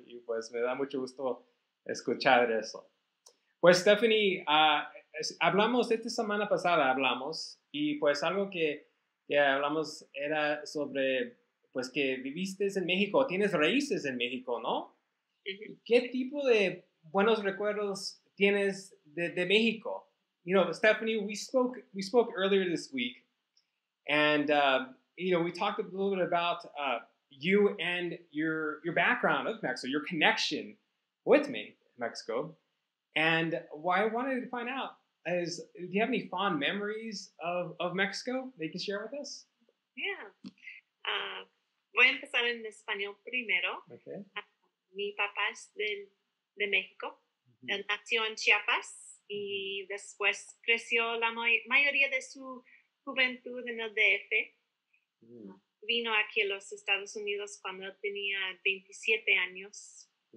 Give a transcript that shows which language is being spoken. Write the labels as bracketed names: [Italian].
[Spanish] Y pues me da mucho gusto escuchar eso. Pues Stephanie, hablamos esta semana pasada, y pues algo que hablamos era sobre pues que viviste en México, tienes raíces en México, ¿no? ¿Qué tipo de buenos recuerdos tienes de México? [English] You know, Stephanie, we spoke earlier this week, and you know, we talked a little bit about you and your background of Mexico, your connection with Mexico, and what I wanted to find out is, do you have any fond memories of Mexico that you can share with us? [Spanish] Yeah, voy a empezar en español primero. Okay. Mi papá es de México, él nació en Chiapas y después creció la mayoría de su juventud en el DF. Vino aquí a los Estados Unidos cuando él tenía 27 años.